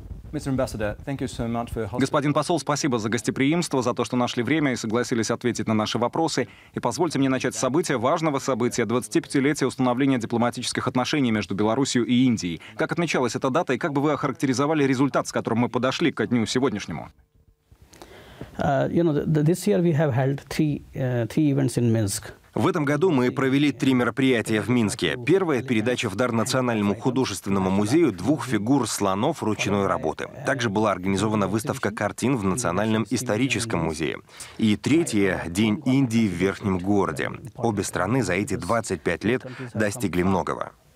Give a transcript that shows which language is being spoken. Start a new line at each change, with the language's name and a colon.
Russian: Господин посол, спасибо за гостеприимство, за то, что нашли время и согласились ответить на наши вопросы. И позвольте мне начать с события, важного события, 25-летия установления дипломатических отношений между Белоруссией и Индией. Как отмечалась эта дата и как бы вы охарактеризовали результат, с которым мы подошли ко дню сегодняшнему?
English: This year we have held three events in Minsk.
Russian: В этом году мы провели три мероприятия в Минске. Первое – передача в дар Национальному художественному музею двух фигур слонов ручной работы. Также была организована выставка картин в Национальном историческом музее. И третье – День Индии в Верхнем городе. Обе страны за эти 25 лет достигли многого.